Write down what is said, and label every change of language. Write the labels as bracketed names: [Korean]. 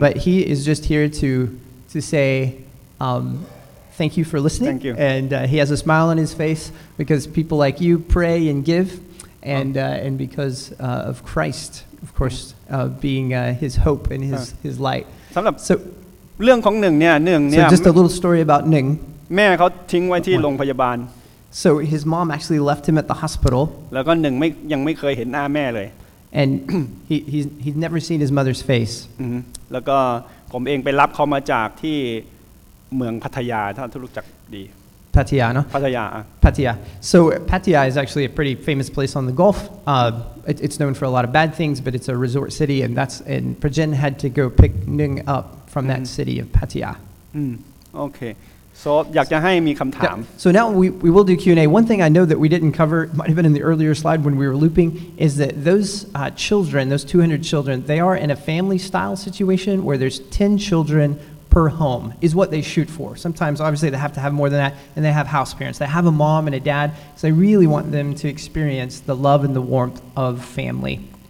[English] But he is just here to say thank you for listening. Thank you. And he has a smile on his face because people like you pray and give. And because of Christ, of course, being his hope and his light. [Thai] So, เรื่องของ Nung เนี่ย Nung เนี่ย [English] So just a little story about Nung. [Thai] แม่เขาทิ้งไว้ที่โรงพยาบาล [English] So his mom actually left him at the hospital [Thai] แล้วก็หนึ่งไม่ยังไม่เคยเห็นหน้าแม่เลย [English] And he's never seen his mother's face [Thai] แล้วก็ผมเองไปรับเขามาจากที่เมืองพัทยาถ้าทุกรู้จักดี พัทยาเนาะ พัทยา [English] พัทยา So Pattaya is actually a pretty famous place on the Gulf it's known for a lot of bad things but it's a resort city and Prajin had to go pick Nung up from that city of Pattaya okaySo, [Thai] อยากจะให้มีคำถาม [English] So now we will do Q&A. One thing I know that we didn't cover, might have been in the earlier slide when we were looping, is that those children, those 200 children, they are in a family-style situation where there's 10 children per home, is what they shoot for. Sometimes, obviously, they have to have more than that, and they have house parents. They have a mom and a dad, so they really want them to experience the love and the warmth of family.